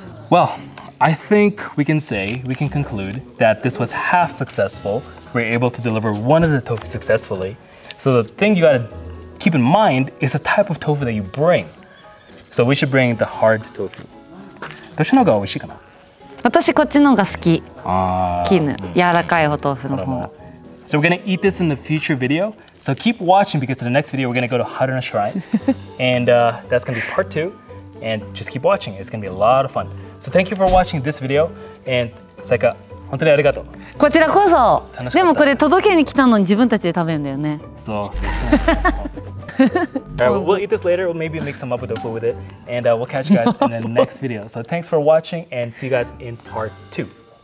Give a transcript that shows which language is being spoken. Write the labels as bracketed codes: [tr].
[en] Well,I think we can say, we can conclude that this was half successful. We were able to deliver one of the tofu successfully. So the thing you gotta keep in mind is the type of tofu that you bring. So we should bring the hard tofu. [ja] どっちの方が美味しいかな私こっちの方が好き。絹、柔らかいお豆腐の方が。 [en] So we're gonna eat this in the future video. So keep watching because in the next video we're gonna go to Haruna Shrine. And that's gonna be part two. And just keep watching. It's gonna be a lot of fun. So thank you for watching this video and Sayaka, [ja] 本当にありがとうこちらこそでもこれ届けに来たのに自分たちで食べるんだよね [en] そうAll right, we'll eat this later. We'll maybe make some apple tofu with it. And we'll catch you guys in the next video. So thanks for watching and see you guys in part 2.